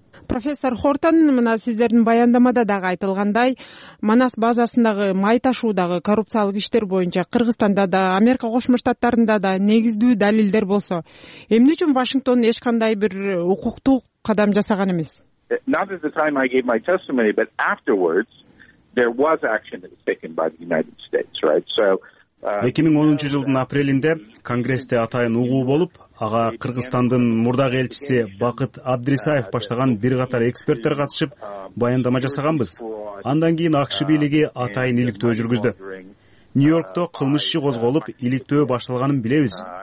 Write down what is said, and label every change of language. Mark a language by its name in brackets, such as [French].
[Kyrgyz] Профессор Хортон, мына сиздердин баяндамада дагы айтылгандай, Манас базасындагы май ташуудагы коррупциялык иштер боюнча Кыргызстанда да, Америка Кошмо Штаттарында да негиздүү далилдер болсо, эмне үчүн Вашингтон эч кандай бир укуктук кадам жасаган эмес? [English] Not at the time I gave my testimony, but afterwards there was action that was taken by the United States, right? So [Kyrgyz] 2010 жылдын апрелинде Конгрессте атайын угуу болуп, ага Кыргызстандын мурдагы элчиси Бакыт Абдрисаев баштаган бир катар эксперттер катышып, баяндама жасаганбыз. Андан кийин АКШ бийлиги атайын иликтөө жүргүздү. Нью-Йоркто кылмыш иши козголуп, иликтөө башталганын билебиз.